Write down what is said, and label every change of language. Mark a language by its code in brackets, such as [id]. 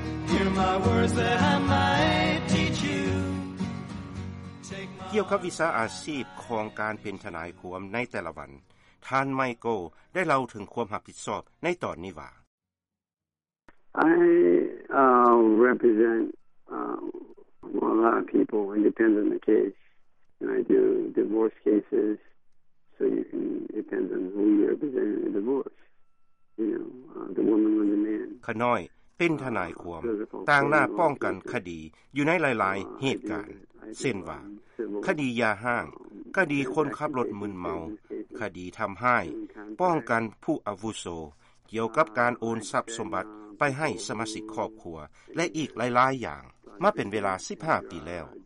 [en] Hear my words that I might teach you [th] เกี่ยวกับวิชาอาชีพของการเป็นทนายความในแต่ละวันท่านไมเคิลได้เล่าถึงความรับผิดชอบในตอนนี้ว่า [en] I represent a lot of people and depends on the case and I do divorce cases so you can depends on who you represent in a divorce the woman or the man [th] ขน้อยเป็นทนายความต่างหน้าป้องกันคดีอยู่ในหลายๆเหตุการณ์เช่นว่าคดียาห้างคดีคนขับรถมึนเมาคดีทําให้ป้องกันผู้อาวุโสเกี่ยวกับการโอนทรัพย์สมบัติไปให้สมาชิกครอบครัวและอีกหลายๆอย่างมาเป็นเวลา15ปีแล้ว